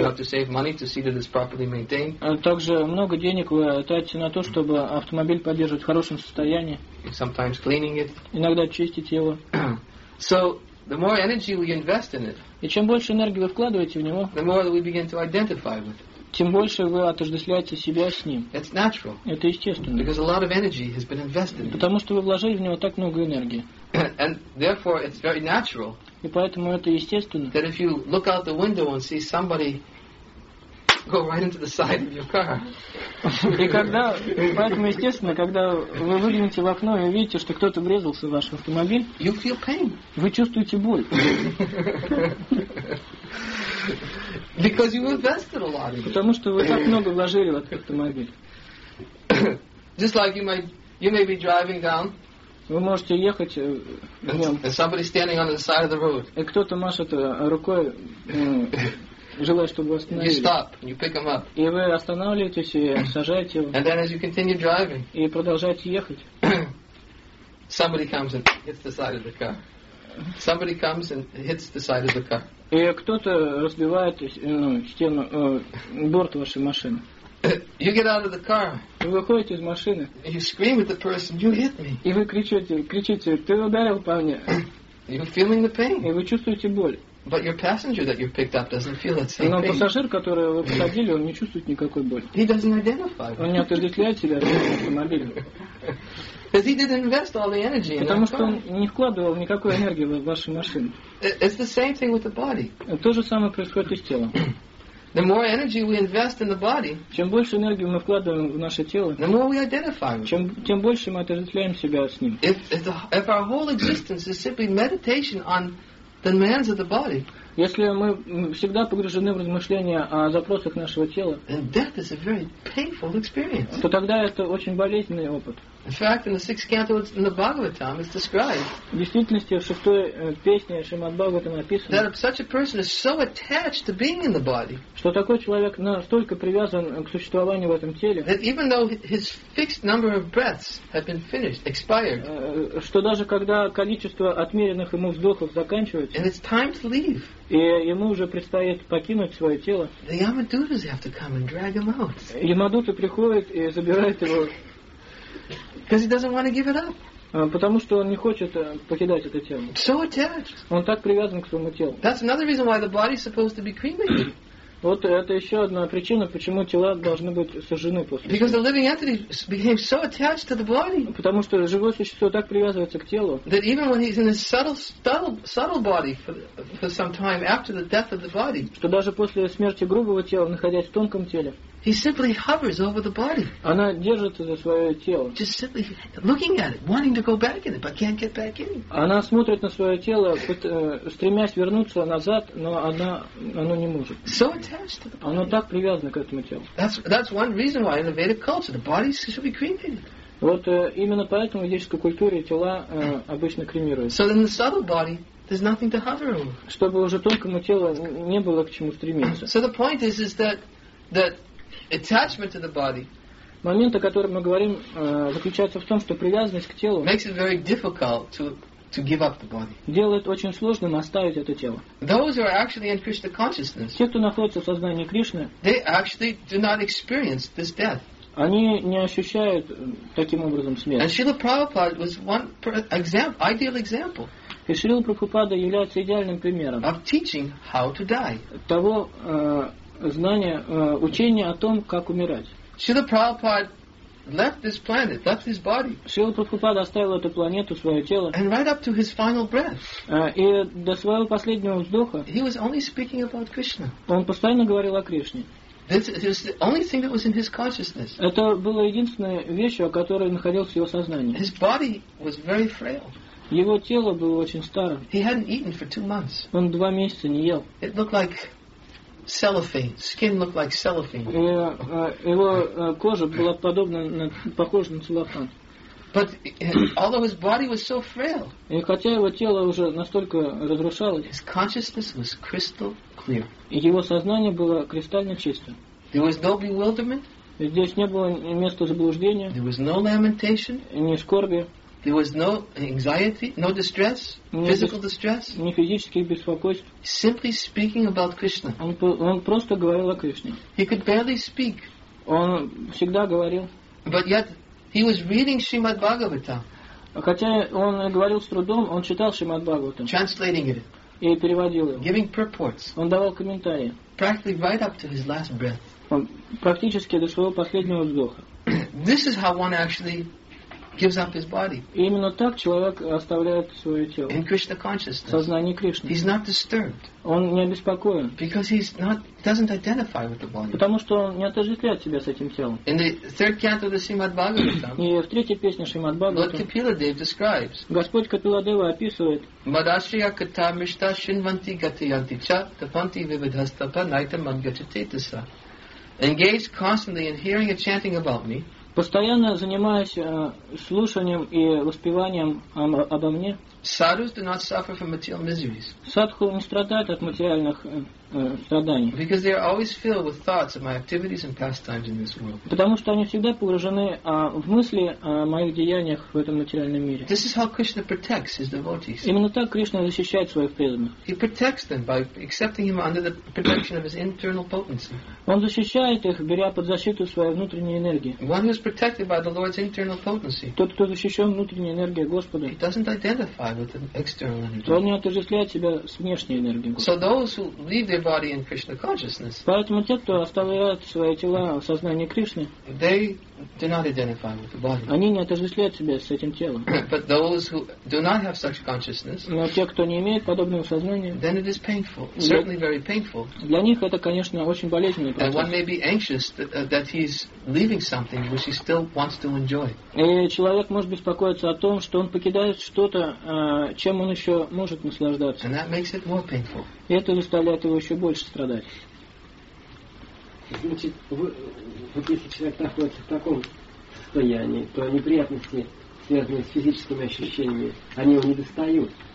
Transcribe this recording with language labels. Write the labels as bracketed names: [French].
[English] you have to save money to see that it's properly maintained. [Russian] Также много денег вы тратите на то, чтобы автомобиль поддерживать в хорошем состоянии. [English] Sometimes cleaning it. [Russian] Иногда чистить его. [English] So the more energy we invest in it. [Russian] И чем больше энергии вы вкладываете в него, [English] the more we begin to identify with it. [Russian] Тем больше вы отождествляете себя с ним. [English] It's natural. [Russian] Это естественно. [English] Because a lot of energy has been invested. [Russian] Потому что вы вложили в него так много энергии. [English] And therefore it's very natural. [Russian] И поэтому это естественно. [English] That if you look out the window and see somebody go right into the side of your car. [Russian] И когда, поэтому естественно, когда вы выглянете в окно и увидите, что кто-то врезался в ваш автомобиль, [English] you feel pain. [Russian] Вы чувствуете боль. [English] Because you invested a lot in it. [Russian] Потому что вы так много вложили в этот автомобиль. [English] Just like you may be driving down. [Russian] Вы можете ехать. [English] And somebody standing on the side of the road. [Russian] И кто-то машет рукой, желая, чтобы вас остановили. [English] You stop. You pick him up. [Russian] И вы останавливаетесь и сажаете его. [English] And then as you continue driving. [Russian] И продолжаете ехать. [English] Somebody comes and hits the side of the car. Somebody comes and hits the side of the car. [Russian] И кто-то разбивает стену, борт вашей машины. [English] You get out of the car. [Russian] Вы выходите из машины. [English] You scream at the person. You hit me. [Russian] И вы кричите, ты ударил по мне. [English] You're feeling the pain. [Russian] И вы чувствуете боль. [English] But your passenger that you picked up doesn't feel that same pain. [Russian] Но пассажир, которого вы посадили, он не чувствует никакой боли. [English] He doesn't identify. [Russian] Он не отождествляет себя с автомобилем. [English] Because he didn't invest all the energy in that. [Russian] Потому что он не вкладывал никакой энергии в вашу машину. [English] It's the same thing with the body. [Russian] То же самое происходит и с телом. [English] The more energy we invest in the body, [Russian] чем больше энергии мы вкладываем в наше тело, [English] the more we identify with. [Russian] Тем больше мы отождествляем себя с ним. [English] If our whole existence is simply meditation on the demands of the body. [Russian] Если мы всегда погружены в размышления о запросах нашего тела, [English] then death is a very painful experience. [Russian] То тогда это очень болезненный опыт. [English] In fact, in the sixth canto in the Bhagavatam, it's described. [Russian] В действительности в шестой песне Шримад-Бхагаватам написано, [English] that such a person is so attached to being in the body, [Russian] что такой человек настолько привязан к существованию в этом теле, [English] that even though his fixed number of breaths have been finished, expired, [Russian] что даже когда количество отмеренных ему вздохов заканчивается, [English] and it's time to leave. [Russian] И ему уже предстоит покинуть свое тело. [English] The Yamadutas have to come and drag him out. [Russian] Ямадуты приходят и забирают его. [English] Because he doesn't want to give it up. [Russian] Потому что он не хочет покидать это тело. [English] So attached. [Russian] Он так привязан к своему телу. [English] That's another reason why the body is supposed to be cremated. [Russian] Вот это еще одна причина, почему тела должны быть сожжены после. [English] Because the living entity became so attached to the body. [Russian] Потому что живое существо так привязывается к телу. [English] That even when he's in a subtle body for some time after the death of the body. [Russian] Что даже после смерти грубого тела, находясь в тонком теле. [English] He simply hovers over the body. [Russian] Она держится за свое тело. [English] Just simply looking at it, wanting to go back in it, but can't get back in. [Russian] Она смотрит на свое тело, стремясь вернуться назад, но оно не может. [English] So attached to the body. [Russian] Оно так привязано к этому телу. [English] That's one reason why in the Vedic culture the body should be cremated. [Russian] Вот именно поэтому в ведической культуре тела обычно кремируют. [English] So in the subtle body. There's nothing to hover over. [Russian] Чтобы уже тонкому телу не было к чему стремиться. [English] So the point is that attachment to the body. [Russian] Момент, о котором мы говорим, заключается в том, что привязанность к телу [English] makes it very difficult to give up the body. [Russian] Делает очень сложным оставить это тело. [English] Those who are actually in Krishna consciousness. [Russian] Те, кто находится в сознании Кришны, [English] they actually do not experience this death. [Russian] Они не ощущают таким образом смерть. [English] And Srila Prabhupada was one ideal example. [Russian] И Шрила Прабхупада является идеальным примером [English] of teaching how to die. [Russian] Того знание, учение о том, как умирать. [English] Srila Prabhupada left this planet, left his body. [Russian] Srila Prabhupada оставил эту планету, свое тело. [English] And right up to his final breath. [Russian] И до своего последнего вздоха. [English] He was only speaking about Krishna. [Russian] Он постоянно говорил о Кришне. [English] This is the only thing that was in his consciousness. [Russian] Это была единственная вещь, о которой находилась в его сознании. [English] His body was very frail. [Russian] Его тело было очень старым. [English] He hadn't eaten for 2 months. [Russian] Он 2 месяца не ел. [English] It looked like cellophane. Skin looked like cellophane. [Russian] Его кожа была похожа на целлофан. [English] But although his body was so frail, [Russian] и хотя его тело уже настолько разрушалось, [English] his consciousness was crystal clear. [Russian] И его сознание было кристально чистым. [English] There was no bewilderment. [Russian] Здесь не было места заблуждения. [English] There was no lamentation. [Russian] Ни скорби. [English] There was no anxiety, no distress, physical distress. [Russian] Ни физических беспокойств. [English] Simply speaking about Krishna. [Russian] Он просто говорил о Кришне. [English] He could barely speak. [Russian] Он всегда говорил. [English] But yet he was reading Srimad Bhagavatam. [Russian] Хотя он говорил с трудом, он читал Шримад Бхагаватам. [English] Translating it. [Russian] И переводил его. [English] Giving purports. [Russian] Он давал комментарии. [English] Practically right up to his last breath. [Russian] Практически до своего последнего вздоха. [English] This is how one actually gives up his body. [Russian] И именно так человек оставляет свое тело. [English] In Krishna consciousness. [Russian] В сознании Кришны. [English] He's not disturbed. [Russian] Он не обеспокоен. [English] Because doesn't identify with the body. [Russian] Потому что он не отождествляет себя с этим телом. [English] In the third canto of the Srimad Bhagavatam. [Russian] И в третьей песне Шримад Бхагаватам. [English] Lord Kapiladeva describes. [Russian] Господь Капиладева описывает. [Sanskrit] Мадашья ката мишта шинванти гатиянти ча тапанти вивидхастапа найтам мангачатетаса. [English] Engaged constantly in hearing and chanting about me. [Russian] Постоянно занимаясь слушанием и воспеванием обо мне. [English] Sadhus do not suffer from material miseries. [Russian] Садху не страдает от материальных страданий. [English] Because they are always filled with thoughts of my activities and pastimes in this world. [Russian] Потому что они всегда погружены в мысли о моих деяниях в этом материальном мире. [English] This is how Krishna protects his devotees. [Russian] Именно так Кришна защищает своих преданных. [English] He protects them by accepting him under the protection of his internal potency. [Russian] Он защищает их, беря под защиту свою внутреннюю энергию. [English] One who is protected by the Lord's internal potency. [Russian] Тот, кто защищен внутренней энергией Господа. [English] He doesn't identify. With an external energy. [Russian] Он не отождествляет себя с внешней энергией. [English] So those who leave their body in Krishna consciousness. [Russian] Поэтому те, кто оставляют свои тела в сознании Кришны, [English] they do not identify with the body. [Russian] Они не отождествляют себя с этим телом. [English] But those who do not have such consciousness. [Russian] Но те, кто не имеет подобного сознания, [English] then it is painful. Certainly very painful. [Russian] Для них это, конечно, очень болезненный процесс. [English] And one may be anxious that he's leaving something which he still wants to enjoy. [Russian] И человек может беспокоиться о том, что он покидает что-то, чем он еще может наслаждаться. [English] And that makes it more painful. [Russian] И это заставляет его еще больше страдать. Значит, вот если человек находится в таком состоянии, то неприятности, связанные с физическими ощущениями, они его не достают.